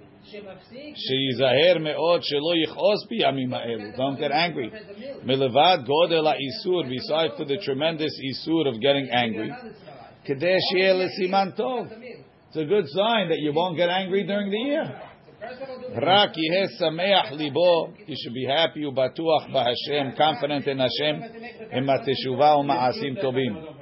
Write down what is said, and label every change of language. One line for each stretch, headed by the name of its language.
Hebrew: שיזהר מאוד שלא יכעוס בימים האלו.
English: Don't get angry.
Hebrew: מלבד גודל האיסור,
English: besides for the tremendous איסור of getting angry,
Hebrew: כדי שיהיה לסימן טוב.
English: It's a good sign that you won't get angry during the year.
Hebrew: רק יהיה שמח ליבו,
English: you should be happy
Hebrew: ובטוח בהשם,
English: confident in Hashem,
Hebrew: עם התשובה ומעשים טובים.